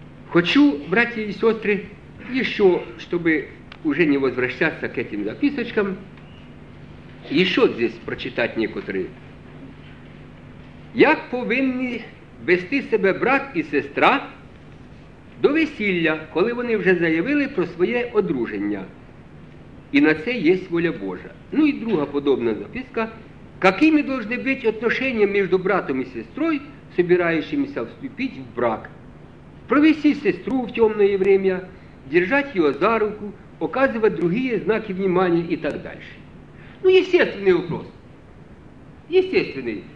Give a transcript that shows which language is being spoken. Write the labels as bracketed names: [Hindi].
[Russian] Хочу, братья и сестры, еще, чтобы уже не возвращаться к этим записочкам, еще здесь прочитать некоторые. [Ukrainian] Як повинні вести себе брат і сестра до весілля, коли вони вже заявили про своє одруження. І на це є воля Божа. Ну і друга подобна записка. [Russian] Какими должны быть отношения между братом и сестрой, собирающимися вступить в брак? Провести сестру в темное время, держать ее за руку, показывать другие знаки внимания и так дальше. Ну, естественный вопрос. Естественный.